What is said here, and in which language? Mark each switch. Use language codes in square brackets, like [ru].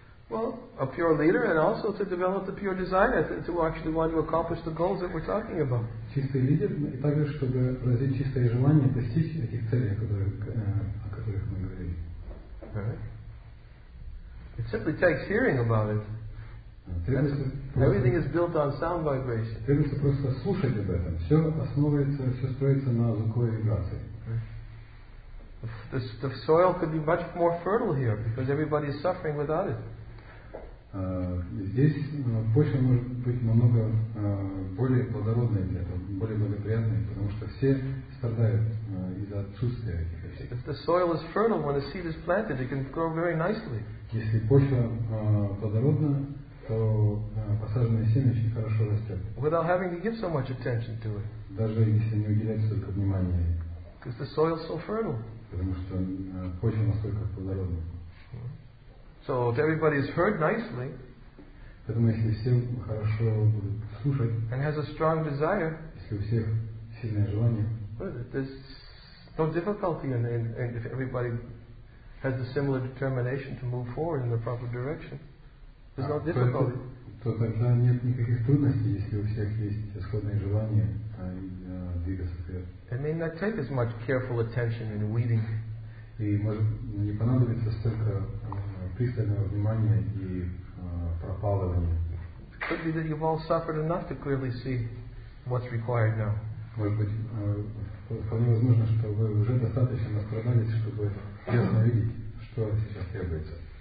[en] Well, a pure leader, and also to develop the pure desire to actually want to accomplish the goals that we're talking about. [ru] Чистый лидер, и также чтобы развить чистое желание достичь этих целей, о которых мы говорили. [en] It simply takes hearing about it. Everything is built on sound vibration. [ru] Требуется просто слушать об этом. Все основывается, все строится на звуковой вибрации. [en] The soil could be much more fertile here because everybody is suffering without it. [ru] Здесь почва может быть намного более плодородной для этого, более благоприятной, потому что все страдают из-за отсутствия этих вещей. [en] If the soil is fertile when a seed is planted, it can grow very nicely. [ru] Если почва плодородна, то посаженное семя очень хорошо растет. [en] Without having to give so much attention to it. [ru] Даже если не уделять столько внимания. [en] Because the soil is so fertile. [ru] Потому что почва настолько плодородна. [en] So if everybody is heard nicely, [ru] поэтому если все хорошо будут слушать, [en] and has a strong desire, [ru] если у всех сильное желание, [en] there's no difficulty in if everybody has a similar determination to move forward in the proper direction. There's no difficulty. [ru] То тогда нет никаких трудностей, если у всех есть сходное желание двигаться вперед. [en] It may not take as much careful attention in weeding. [ru] И может не понадобится столько пристального внимания и пропалывания. [en] Could be that you've all suffered enough to clearly see what's required now. [ru] Может быть, вполне возможно, что вы уже достаточно настрадались, чтобы ясно видеть, что сейчас требуется.